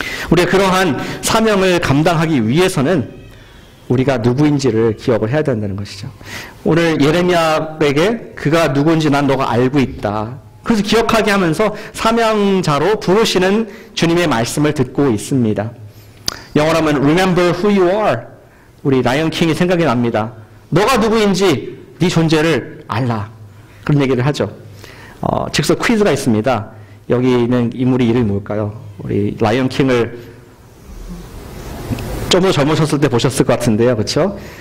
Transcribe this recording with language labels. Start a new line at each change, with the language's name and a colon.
Korean: 우리가 그러한 사명을 감당하기 위해서는 우리가 누구인지를 기억을 해야 된다는 것이죠. 오늘 예레미야에게 그가 누구인지 난 너가 알고 있다. 그래서 기억하게 하면서 사명자로 부르시는 주님의 말씀을 듣고 있습니다. 영어로 하면
English: Remember who you are.
Korean: 우리 라이언 킹이 생각이 납니다. 너가 누구인지 네 존재를 알라. 그런 얘기를 하죠. 즉석 퀴즈가 있습니다. 여기 있는 인물이 이름이 뭘까요? 우리 라이언 킹을 좀 더 젊으셨을 때 보셨을 것 같은데요. 그렇죠?